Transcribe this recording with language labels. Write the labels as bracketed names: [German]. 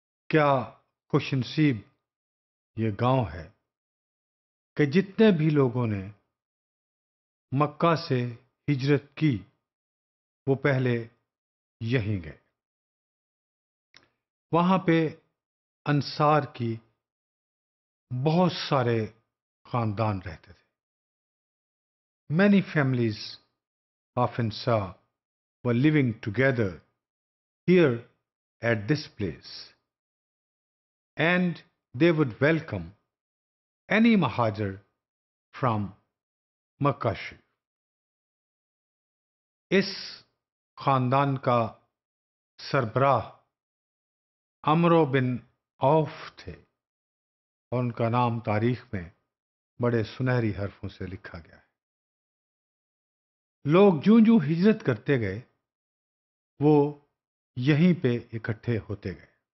[Urdu] کیا خوش نصیب یہ گاؤں ہے کہ جتنے بھی لوگوں نے مکہ سے ہجرت کی وہ پہلے یہیں گئے. وہاں پہ انصار کی بہت سارے خاندان رہتے تھے. [English] Many families of Ansar were living together here at this place, and they would welcome any Muhajir from Makkah. [Urdu] اس خاندان کا سربراہ عمرو بن عوف تھے اور ان کا نام تاریخ میں بڑے سنہری حرفوں سے لکھا گیا ہے. لوگ جون جون ہجرت کرتے گئے وہ یہیں پہ اکٹھے ہوتے گئے.